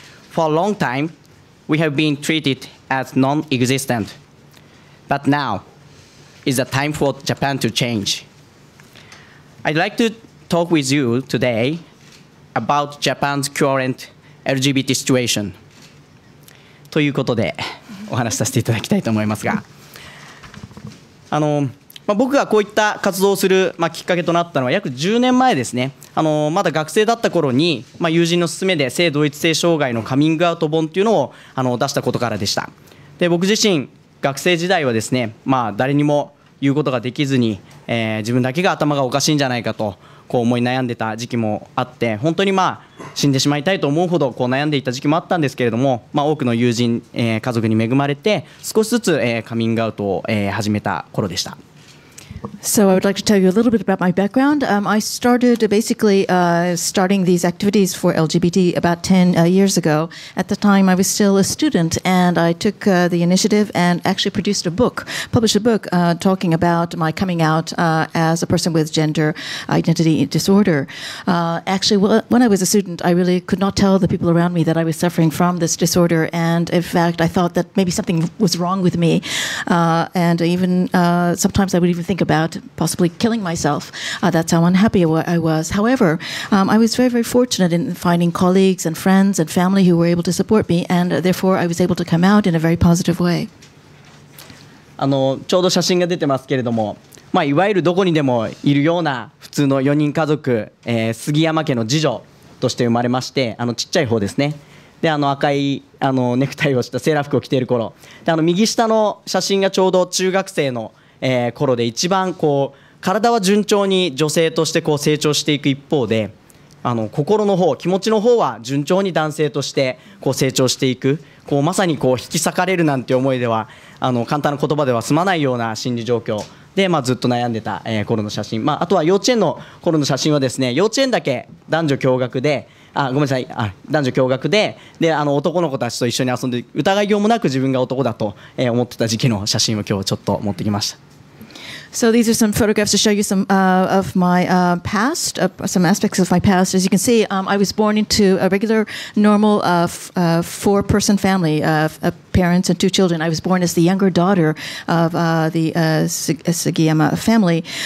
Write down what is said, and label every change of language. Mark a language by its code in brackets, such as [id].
[en] For a long time, we have been treated as non-existent, but now, is the time for Japan to change. I'd like to talk with you today about Japan's current LGBT situation. [ja] ということでお話しさせていただきたいと思いますが、僕がこういった活動をする、きっかけとなったのは約10年前ですね。まだ学生だった頃に、友人の勧めで性同一性障害のカミングアウト本っていうのを出したことからでした。で、僕自身学生時代はですね、誰にも言うことができずに、自分だけが頭がおかしいんじゃないかとこう思い悩んでた時期もあって、本当に死んでしまいたいと思うほどこう悩んでいた時期もあったんですけれども、多くの友人、家族に恵まれて少しずつ、カミングアウトを、始めた頃でした。 [en] So I would like to tell you a little bit about my background. I started basically starting these activities for LGBT about 10 years ago. At the time, I was still a student, and I took the initiative and actually produced a book, published a book talking about my coming out as a person with gender identity disorder. When I was a student, I really could not tell the people around me that I was suffering from this disorder, and in fact, I thought that maybe something was wrong with me, and sometimes I would even think about possibly killing myself. That's how unhappy I was. However, I was very, very fortunate in finding colleagues and friends and family who were able to support me, and therefore I was able to come out in a very positive way. [ja] ちょうど写真が出てますけれども、いわゆるどこにでもいるような普通の4人家族、杉山家の次女として生まれまして、ちっちゃい方ですね。で、赤いネクタイをしたセーラー服を着ている頃、で、右下の写真がちょうど中学生の頃で一番こう体は順調に女性としてこう成長していく一方で、心の方、気持ちの方は順調に男性としてこう成長していく、こうまさにこう引き裂かれるなんて思いでは簡単な言葉では済まないような心理状況で、ずっと悩んでた、頃の写真、あとは幼稚園の頃の写真はですね、幼稚園だけ男女共学で、男女共学 で男の子たちと一緒に遊んで疑いようもなく自分が男だと思ってた時期の写真を今日ちょっと持ってきました。 [en] So these are some photographs to show you some of my past, some aspects of my past. As you can see, I was born into a regular, normal four-person family of parents and two children. I was born as the younger daughter of the Sugiyama family.